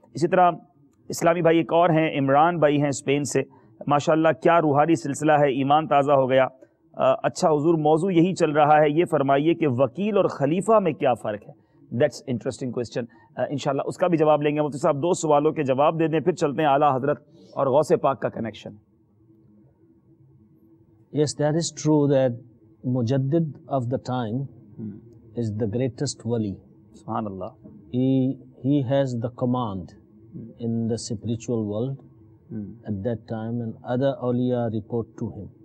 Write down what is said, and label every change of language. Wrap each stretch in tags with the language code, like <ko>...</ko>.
<ur>اسی طرح اسلامی بھائی ایک اور ہیں, عمران بھائی ہیں اسپین سے, ماشاءاللہ کیا روحانی سلسلہ ہے, ایمان تازہ ہو گیا. اچھا حضور, موضوع یہی چل رہا ہے, یہ فرمائیے کہ وکیل اور خلیفہ میں کیا فرق ہے؟</ur> <en>that's interesting question,</en> <ur>انشاءاللہ اس کا بھی جواب لیں گے. مفتی صاحب دو سوالوں کے جواب دے دیں, پھر چلتے ہیں اعلیٰ حضرت اور غوث پاک کا connection.</ur> <en>Yes, that is true that مجدد of the time is the greatest ولی.</en> <ur>سبحان اللہ,</ur> <en>He has the command in the spiritual world at that time, and other awliya report to him.</en>